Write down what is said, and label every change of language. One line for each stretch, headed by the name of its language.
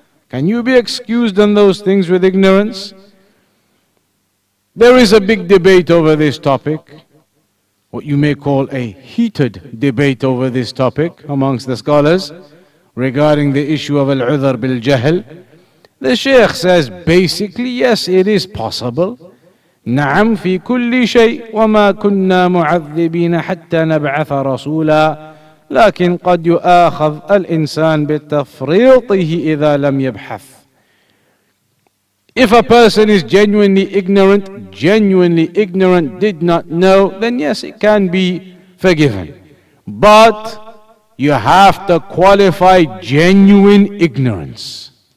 English: Can you be excused on those things with ignorance? There is a big debate over this topic, what you may call a heated debate over this topic amongst the scholars regarding the issue of al-udhar bil-jahl. The Shaykh says, basically, yes, it is possible.
Arabic: نعم في كل شيء وما كنا معذبين حتى نبعث رسولا لكن قد يؤاخذ الإنسان بتفريطه إذا لم يبحث.
English: If a person is genuinely ignorant, did not know, then yes, it can be forgiven. But you have to qualify genuine ignorance.